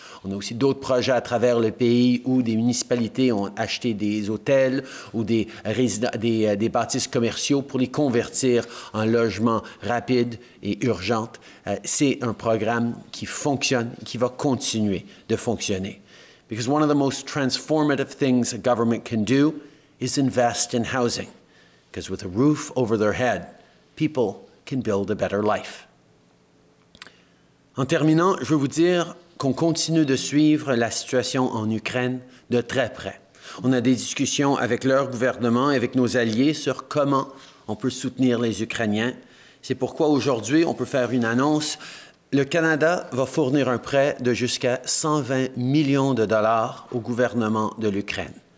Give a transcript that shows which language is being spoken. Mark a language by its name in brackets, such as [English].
[French] On a aussi d'autres projets à travers le pays où des municipalités ont acheté des hôtels ou des bâtisses commerciaux pour les convertir en logements rapides et urgents. C'est un programme qui fonctionne et qui va continuer de fonctionner. [English] Because one of the most transformative things a government can do is invest in housing. Because with a roof over their head, people can build a better life. [French] En terminant, je veux vous dire qu'on continue de suivre la situation en Ukraine de très près. On a des discussions avec leur gouvernement et avec nos alliés sur comment on peut soutenir les Ukrainiens. C'est pourquoi aujourd'hui, on peut faire une annonce. Le Canada va fournir un prêt de jusqu'à 120 millions de dollars au gouvernement de l'Ukraine.